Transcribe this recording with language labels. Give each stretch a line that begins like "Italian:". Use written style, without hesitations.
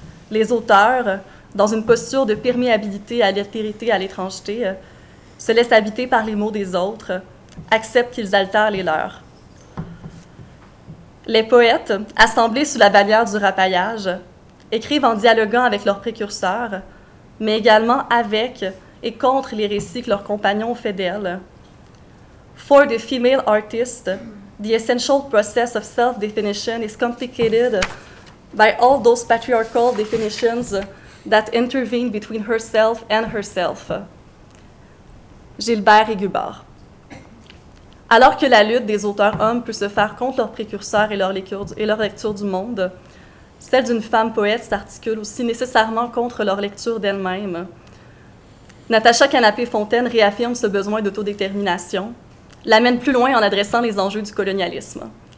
French: Les auteurs, dans une posture de perméabilité à l'altérité et à l'étrangeté, se laissent habiter par les mots des autres, acceptent qu'ils altèrent les leurs. Les poètes, assemblés sous la bannière du rapaillage, écrivent en dialoguant avec leurs précurseurs, mais également avec et contre les récits que leurs compagnons ont fait d'elles.
English: For the female artist, the essential process of self-definition is complicated by all those patriarchal definitions that intervene between herself and herself.
French: Gilbert et Gubard. Alors que la lutte des auteurs hommes peut se faire contre leurs précurseurs et leur lecture du monde, celle d'une femme poète s'articule aussi nécessairement contre leur lecture d'elle-même. Natacha Canapé-Fontaine réaffirme ce besoin d'autodétermination, l'amène plus loin en adressant les enjeux du colonialisme.